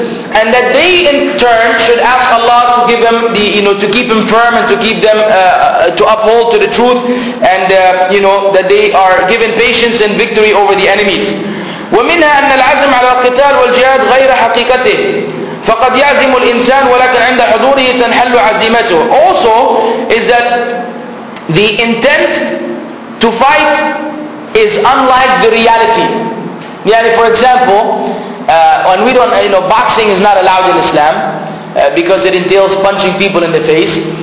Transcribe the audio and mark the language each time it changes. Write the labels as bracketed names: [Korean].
[English] And that they in turn should ask Allah to give them the, you know, to keep them firm and to keep them, to uphold to the truth, and you know, that they are given patience and victory over the enemies. [Arabic] ومنها أن العزم على القتال والجهاد غير حقيقته. فقد يعزم الإنسان ولكن عند حضوره تنحل عزيمته. [English] Also is that the intent to fight is unlike the reality. Yani for example, and we don't, you know, boxing is not allowed in Islam because it entails punching people in the face.